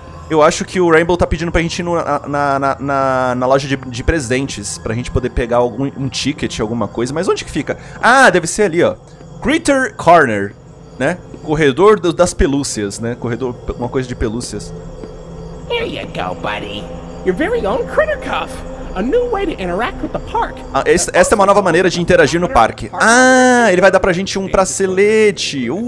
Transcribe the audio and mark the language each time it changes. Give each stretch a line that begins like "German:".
Portuguese: Eu acho que o Rainbow tá pedindo pra gente ir na loja de presentes, pra gente poder pegar um ticket, alguma coisa. Mas onde que fica? Ah, deve ser ali, ó. Critter Corner, né? Corredor das pelúcias, né? Corredor, uma coisa de pelúcias.
English: Here you go, buddy. Your very own Critter Cuff. A new way to interact with the park.
Portuguese: Esta é uma nova maneira de interagir no parque. Ah, ele vai dar pra gente um bracelete.